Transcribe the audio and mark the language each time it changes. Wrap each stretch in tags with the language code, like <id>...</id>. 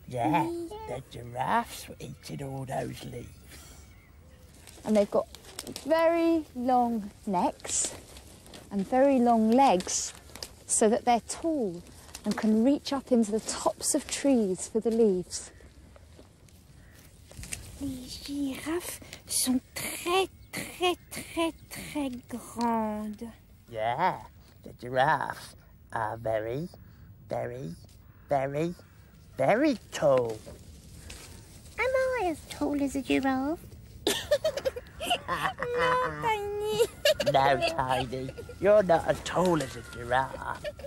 <en>Yeah, the giraffes were eating all those leaves. And they've got very long necks and very long legs so that they're tall and can reach up into the tops of trees for the leaves.</en> <fr>Les girafes sont très très, très, très grande.</fr> <en>Yeah, the giraffes are very, very, very, very tall. Am I as tall as a giraffe? No, Tiny. No, Tiny. You're not as tall as a giraffe.</en>